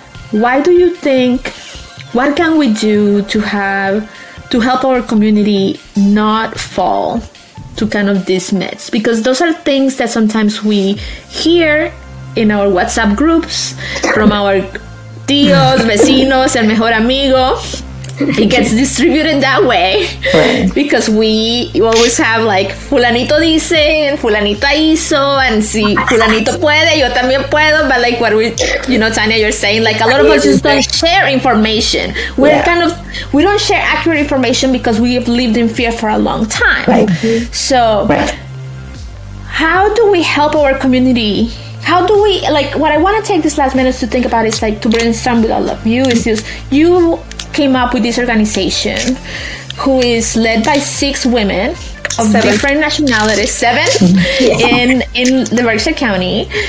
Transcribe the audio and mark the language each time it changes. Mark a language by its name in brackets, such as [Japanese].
[English] Why do you think, what can we do to help our community not fall to kind of these myths? Because those are things that sometimes we hear in our WhatsApp groups from our [Spanish] tíos, vecinos, el mejor amigo. [English] It gets distributed that way, right? Because you always have, like, [Spanish] fulanito dice and fulanita hizo, and si fulanito puede, yo también puedo. [English] But, like, what we, you know, Tania, you're saying, like, a lot of us just don't share information. We're kind of, we don't share accurate information because we have lived in fear for a long time. Right. So how do we help our community? How do we, like, what I want to take this last minute to think about is, like, to brainstorm with all of you, is just, you came up with this organization who is led by 6 women of different nationalities, 7, in the Berkshire County.